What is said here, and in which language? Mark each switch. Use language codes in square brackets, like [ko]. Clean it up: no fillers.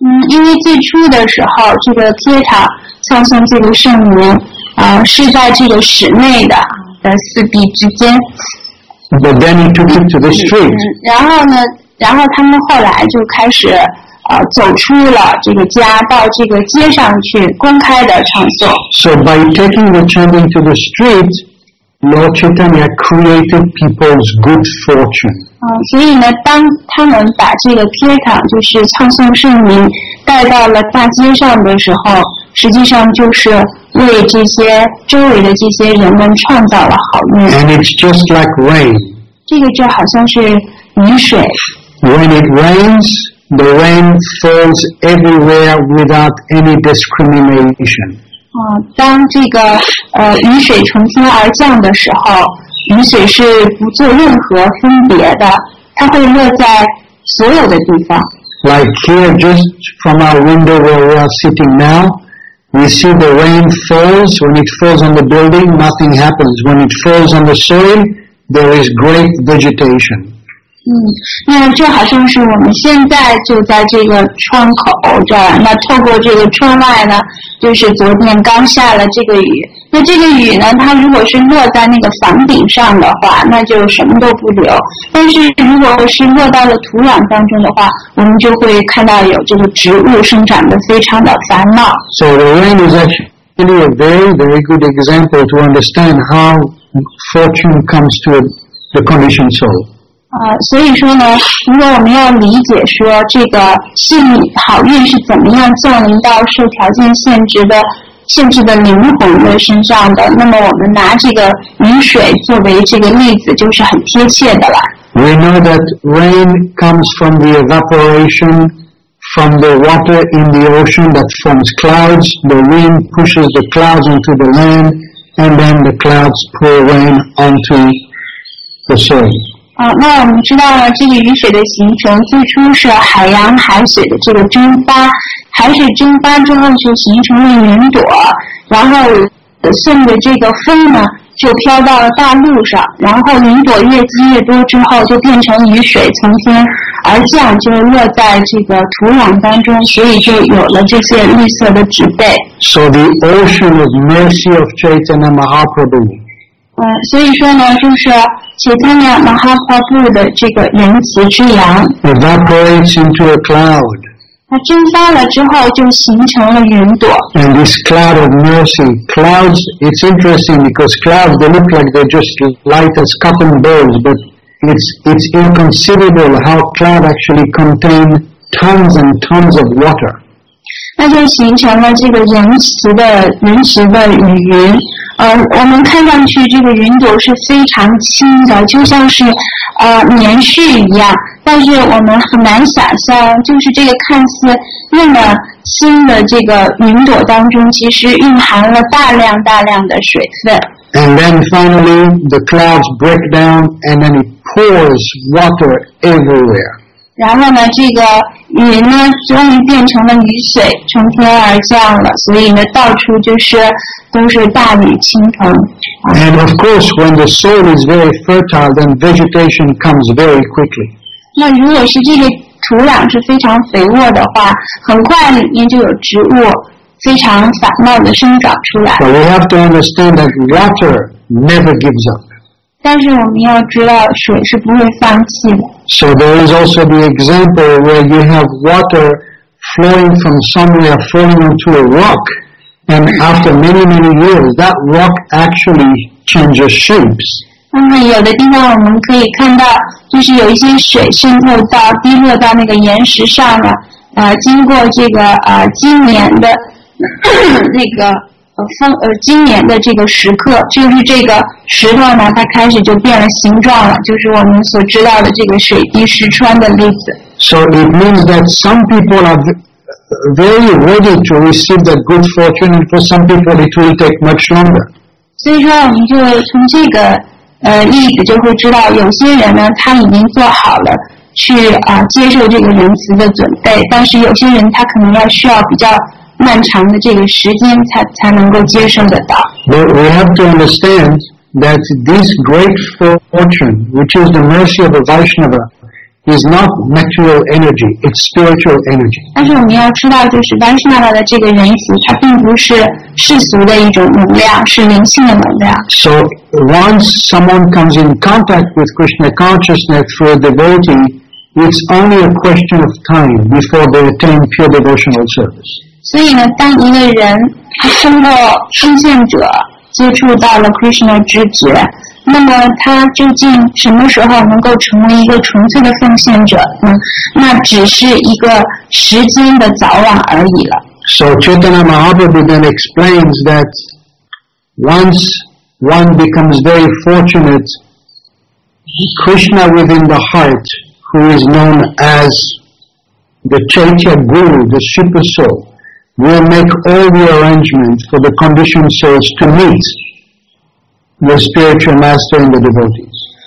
[zh] 因为最初的时候，这个贴塔唱诵这个圣名，是在这个室内的，在四壁之间。 [en] But then he took it to the street. [zh] 然后他们后来就开始走出了这个家，到这个街上去公开的唱诵。 [en] So by taking the chanting to the street, Lord Chaitanya created people's good fortune. [zh] 所以呢，当他们把这个贴卡就是唱诵圣名带到了大街上的时候，实际上就是为这些周围的这些人们创造了好运。 [en] And it's just like rain. [zh] 这个就好像是雨水。 [en] When it rains, the rain falls everywhere without any discrimination. [zh] 当这个雨水从天而降的时候，雨水是不做任何分别的，它会落在所有的地方。 [en] Like here, just from our window where we are sitting now, we see the rain falls. When it falls on the building, nothing happens. When it falls on the soil, there is great vegetation. [zh] 那这好像是我们现在就在这个窗口这儿，那透过这个窗外呢？就是昨天刚下了这个雨，那这个雨呢，它如果是落在那个房顶上的话，那就什么都不留。但是如果是落到了土壤当中的话，我们就会看到有这个植物生长得非常的繁茂。 [en] So the rain is actually a very, very good example to understand how fortune comes to the conditioned soul. [zh] 所以说呢，如果我们要理解说这个幸好运是怎么样降临到受条件限制的灵魂的身上的，那么我们拿这个雨水作为这个例子就是很贴切的了。 [en] We know that rain comes from the evaporation from the water in the ocean that forms clouds. The wind pushes the clouds into the land, and then the clouds pour rain onto the soil. [zh] 那我们知道了这个雨水的形成最初是海洋海水的这个蒸发，海水蒸发之后就形成了云朵，然后顺着这个风呢就飘到了大陆上，然后云朵越积越多之后就变成雨水从天而降，就落在这个土壤当中，所以就有了这些绿色的植被。 [en] So the ocean of mercy of Chaitanya Mahaprabhu. [zh] 所以说呢就是Chaitanya Mahaprabhu 的这个仁慈之阳 [en] evaporates into a cloud. [zh] 它蒸发了之后就形成了云朵。 [en] And this cloud of mercy, clouds, it's interesting because clouds, they look like they're just light as cotton balls, but it's inconceivable how clouds actually contain tons and tons of water. [zh] 那就形成了这个仁慈的雨云。我们看上去这个云朵是非常轻的，就像是棉絮一样，但是我们很难想象就是这个看似那么轻的这个云朵当中其实蕴含了大量大量的水分。 [en] And then finally the clouds break down and then it pours water everywhere. [zh] 然后呢这个云呢终于变成了雨水从天而降了，所以呢到处就是都是大雨倾盆。 [en] And of course, when the soil is very fertile, then vegetation comes very quickly. [zh] 那如果是这个土壤是非常肥沃的话，很快里面就有植物非常繁茂的生长出来。 [en] But we have to understand that water never gives up. [zh] 但是我们要知道水是不会放弃的。 [en] So there is also the example where you have water flowing from somewhere, falling onto a rock. And after many, many years, that rock actually changes shapes. [zh] 有的地方我们可以看到，就是有一些水渗透到、滴落到那个岩石上的，经过这个经年的那个风经年的这个时刻，就是这个石头呢，它开始就变了形状了，就是我们所知道的这个水滴石穿的例子。 [en] So it means that some people are. Very ready to receive that good fortune, and for some people, it will take much longer. [zh] 所以说，我们就从这个例子就会知道，有些人呢，他已经做好了去接受这个仁慈的准备，但是有些人他可能要需要比较漫长的这个时间才能够接受得到。 [en] But we have to understand that this great fortune, which is the mercy of a Vaishnava. Is not material energy; it's spiritual energy. [zh] 但是我们要知道，就是 Vaishnava 的这个仁慈，它并不是世俗的一种能量，是灵性的能量。 [en] So once someone comes in contact with Krishna consciousness through a devotee, it's only a question of time before they attain pure devotional service. [zh] 所以呢，当一个人通过奉献者接触到了 Krishna 知觉，那么他究竟什么时候能够成为一个纯粹的奉献者呢？那只是一个时间的早晚而已了。 [en] So Chaitanya Mahaprabhu then explains that once one becomes very fortunate, Krishna within the heart, who is known as the Chaitya Guru, the Super Soul, will make all the arrangements for the conditioned souls to meet the spiritual master and the devotees.